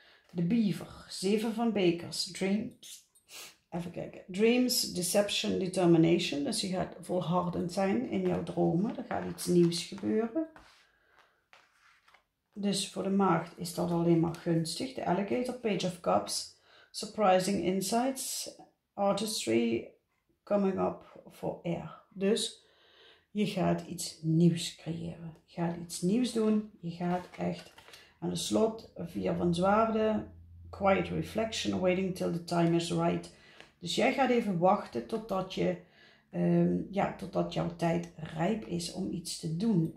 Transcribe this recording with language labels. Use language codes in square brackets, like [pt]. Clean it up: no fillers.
[nl] De Beaver, zeven van bekers, dreams, even kijken, [en] dreams, deception, determination, [nl] dus je gaat volhardend zijn in jouw dromen, er gaat iets nieuws gebeuren. Dus voor de maagd is dat alleen maar gunstig. [en] De Alligator, Page of Cups, surprising insights, artistry, coming up for air. [nl] Dus je gaat iets nieuws creëren, je gaat iets nieuws doen, je gaat echt aan de slot, vier van zwaarden, [en] quiet reflection, waiting till the time is right. [nl] Dus jij gaat even wachten totdat je, ja, totdat jouw tijd rijp is om iets te doen.